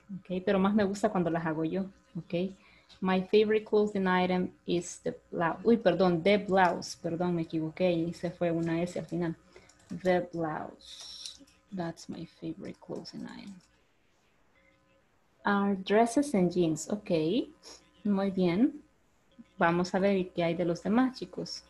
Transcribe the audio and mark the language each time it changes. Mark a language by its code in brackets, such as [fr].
[es] Okay, pero más me gusta cuando las hago yo. [en] Okay, my favorite clothing item is the blouse. [es] Uy, perdón, [en] the blouse. [es] Perdón, me equivoqué y se fue una S al final. [en] The blouse. That's my favorite clothing item. Are dresses and jeans. Okay, [es] muy bien. Vamos a ver qué hay de los demás, chicos.